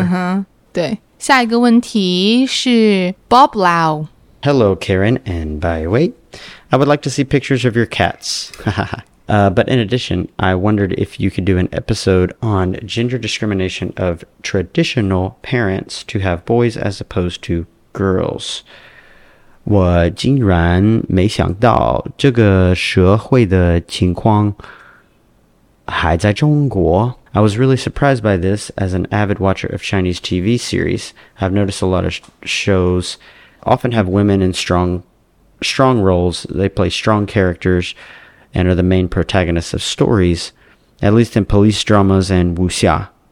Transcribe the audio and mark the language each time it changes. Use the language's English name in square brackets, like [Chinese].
[Chinese] Uh-huh. 对。下一个问题是 Bob Lau. [English] Hello, Karen. And by the way, I would like to see pictures of your cats. but in addition, I wondered if you could do an episode on gender discrimination of traditional parents to have boys as opposed to girls. [Chinese] 我竟然没想到这个社会的情况还在中国。 [English] I was really surprised by this as an avid watcher of Chinese TV series. I've noticed a lot of shows often have women in strong roles. They play strong characters and are the main protagonists of stories, at least in police dramas and wuxia.